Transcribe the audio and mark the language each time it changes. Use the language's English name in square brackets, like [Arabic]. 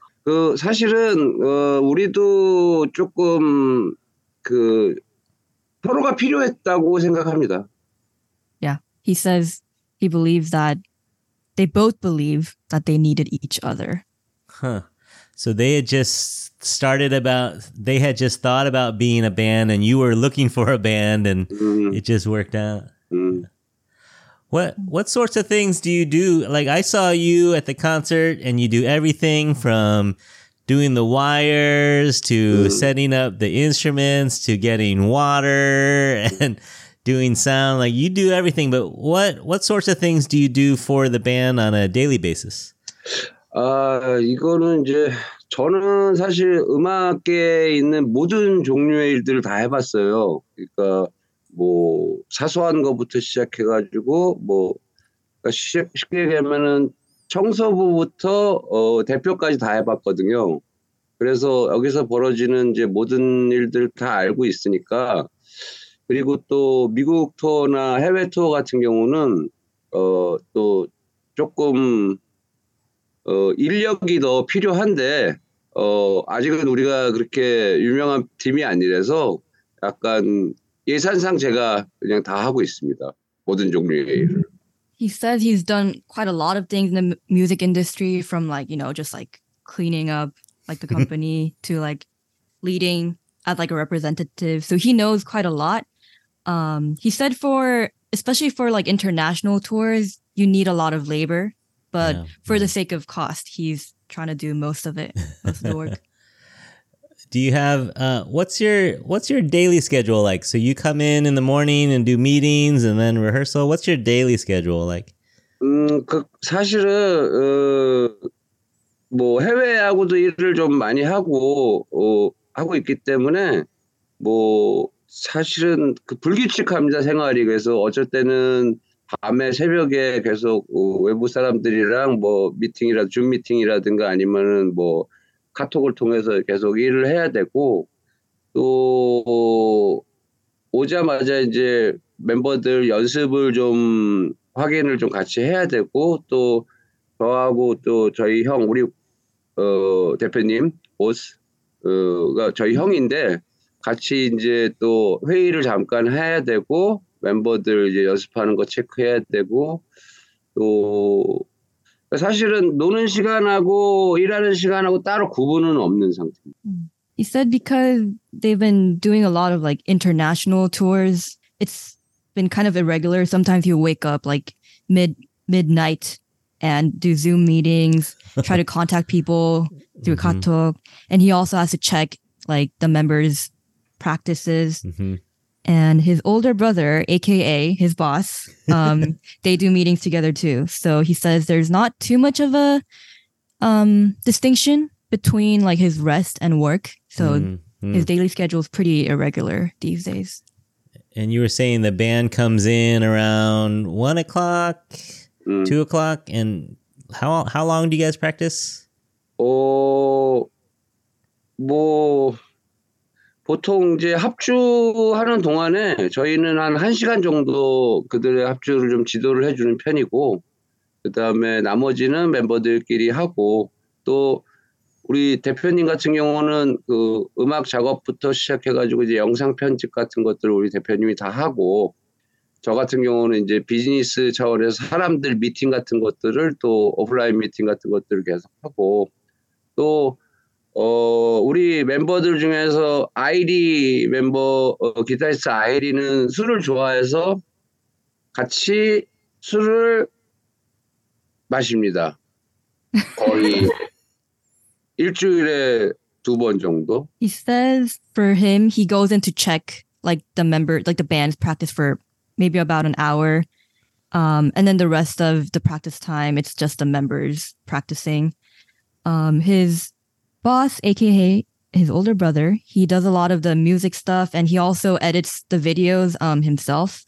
[Korean] 그 사실은 우리도 조금 그 서로가 필요했다고 생각합니다. [English] Yeah, he says he believes that they both believe that they needed each other. So they had just started about, they had just thought about being a band, and you were looking for a band, and it just worked out. What sorts of things do you do? Like, I saw you at the concert, and you do everything from doing the wires to setting up the instruments to getting water and doing sound. Like, you do everything, but what sorts of things do you do for the band on a daily basis? [Korean] 이거는 이제 저는 사실 음악계에 있는 모든 종류의 일들을 다 해봤어요. 그러니까 뭐 사소한 것부터 시작해가지고 뭐 그러니까 쉽게 얘기하면은 청소부부터 대표까지 다 해봤거든요. 그래서 여기서 벌어지는 이제 모든 일들 다 알고 있으니까. 그리고 또 미국 투어나 해외 투어 같은 경우는 또 조금 인력이 더 필요한데 아직은 우리가 그렇게 유명한 팀이 아니라서 약간 예산상 제가 그냥 다 하고 있습니다. 모든 종류의 일을. [English] He says he's done quite a lot of things in the music industry, from like, you know, just like cleaning up like the company to like leading as like a representative. So he knows quite a lot. He said especially for like international tours, you need a lot of labor. But for the sake of cost, he's trying to do most of it, most of the work. Do you have, what's your daily schedule like? So you come in the morning and do meetings and then rehearsal. What's your daily schedule like? [Korean] 사실은, 뭐 해외하고도 일을 좀 많이 하고, 하고 있기 때문에, 뭐 사실은 그 불규칙합니다, 생활이. 그래서 어쩔 때는 밤에 새벽에 계속 외부 사람들이랑 뭐 미팅이라든가 줌 미팅이라든가 아니면은 뭐 카톡을 통해서 계속 일을 해야 되고, 또 오자마자 이제 멤버들 연습을 좀 확인을 좀 같이 해야 되고, 또 저하고 또 저희 형 우리 대표님 오스가 저희 형인데, 같이 이제 또 회의를 잠깐 해야 되고 멤버들 이제 연습하는 거 체크해야 되고 또 사실은 노는 시간하고 일하는 시간하고 따로 구분은 없는 상태입니다. [English] He said because they've been doing a lot of like international tours, it's been kind of irregular. Sometimes you wake up like midnight and do Zoom meetings, try to contact people through mm-hmm. Kakao. And he also has to check like the members' practices. Mm-hmm. And his older brother, aka his boss, they do meetings together too. So he says there's not too much of a distinction between like his rest and work. So mm-hmm. his daily schedule is pretty irregular these days. And you were saying the band comes in around 1 o'clock, 2 o'clock. And how long do you guys practice? [Korean] Oh, 뭐 보통 이제 합주하는 동안에 저희는 한 1시간 정도 그들의 합주를 좀 지도를 해주는 편이고 그다음에 나머지는 멤버들끼리 하고 또 우리 대표님 같은 경우는 그 음악 작업부터 시작해가지고 이제 영상 편집 같은 것들을 우리 대표님이 다 하고 저 같은 경우는 이제 비즈니스 차원에서 사람들 미팅 같은 것들을 또 오프라인 미팅 같은 것들을 계속 하고 또 우리 멤버들 중에서 아이리 멤버 기타리스트 아이리는 술을 좋아해서 같이 술을 마십니다. 거의 일주일에 두 번 정도. [English] He says for him, he goes in to check like the member, like the band's practice for maybe about an hour, and then the rest of the practice time, it's just the members practicing. His boss, aka his older brother, he does a lot of the music stuff, and he also edits the videos himself.